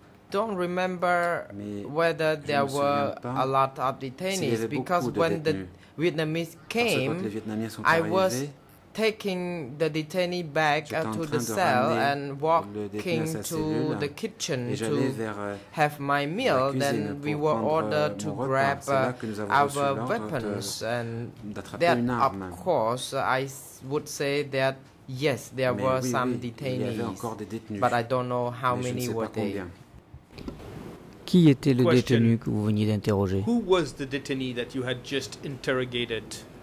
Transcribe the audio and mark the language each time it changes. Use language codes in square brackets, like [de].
[en] don't remember whether there were a lot of detainees, because when the Vietnamese came, I was taking the detainee back to the cell and walking to the kitchen to have my meal. Then we were ordered to grab our weapons. And that, of course, I would say that, yes, there were some detainees, but I don't know how many were there. [fr] Qui était le détenu que vous veniez d'interroger? [en] Who was the detainee that you had just interrogated?